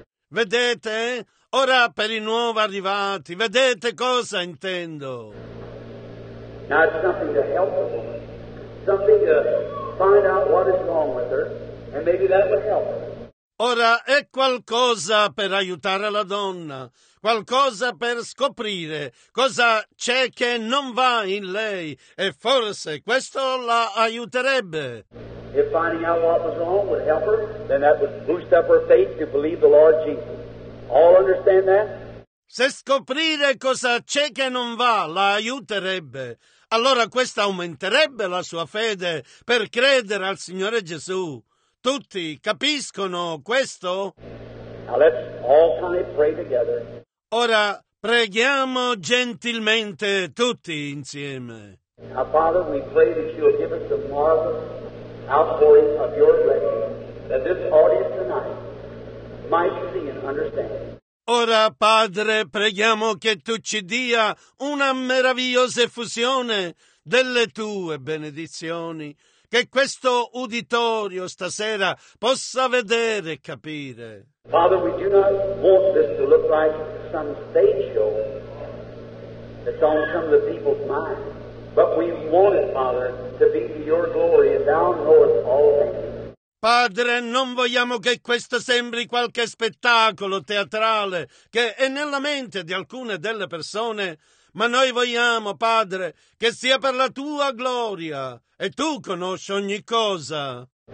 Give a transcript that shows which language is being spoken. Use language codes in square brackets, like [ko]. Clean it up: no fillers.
[it] Vedete? Ora per i nuovi arrivati, vedete cosa intendo? [en] Now it's something to help the woman, something to find out what is wrong with her. And maybe that would help. [it] Ora è qualcosa per aiutare la donna, qualcosa per scoprire cosa c'è che non va in lei, e forse questo la aiuterebbe. [en] If finding out what was wrong would help her, then that would boost up her faith to believe the Lord Jesus. All understand that? [it] Se scoprire cosa c'è che non va la aiuterebbe, allora questa aumenterebbe la sua fede per credere al Signore Gesù. Tutti capiscono questo? [en] Now let's all kind of pray together. [it] Ora preghiamo gentilmente tutti insieme. [en] Now, Father, we pray that you will give us the marvelous outpouring of your grace, that this audience tonight might see and understand. [it] Ora, Padre, preghiamo che tu ci dia una meravigliosa effusione delle tue benedizioni, che questo uditorio stasera possa vedere e capire. [en] Father, we do not want this to look like some stage show that's on some of the people's minds. But we want it, Father, to be to your glory, and thou knowest all things. [it] Padre, non vogliamo che questo sembri qualche spettacolo teatrale che è nella mente di alcune delle persone, ma noi vogliamo, Padre, che sia per la tua gloria, e tu conosci ogni cosa.